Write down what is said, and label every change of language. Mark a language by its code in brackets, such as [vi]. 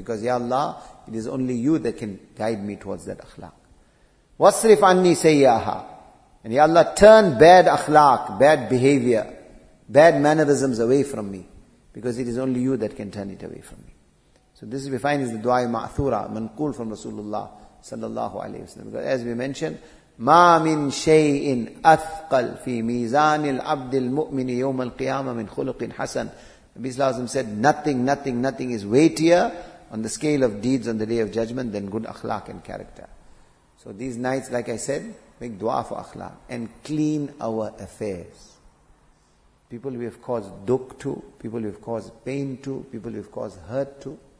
[en] Because, Ya Allah, it is only You that can guide me towards that akhlaq. [ar] وَصْرِفْ عَنِّي سَيِّئَهَا. [en] And Ya Allah, turn bad akhlaq, bad behavior, bad mannerisms away from me. Because it is only You that can turn it away from me. So this is, we find, is the dua ma'thura, manqul from Rasulullah sallallahu alayhi wa sallam. Because as we mentioned, [ar] مَا مِن شَيْءٍ أَثْقَلْ فِي مِيزَانِ الْعَبْدِ الْمُؤْمِنِ يَوْمَ الْقِيَامَةِ مِنْ خُلُقٍ حَسَنٍ. [en] Nabi Sallallahu Alaihi Wasallam said, nothing is weightier on the scale of deeds on the Day of Judgment than good akhlaq and character. So these nights, like I said, make dua for akhlaq and clean our affairs. People we have caused dukh to, people we have caused pain to, people we have caused hurt to.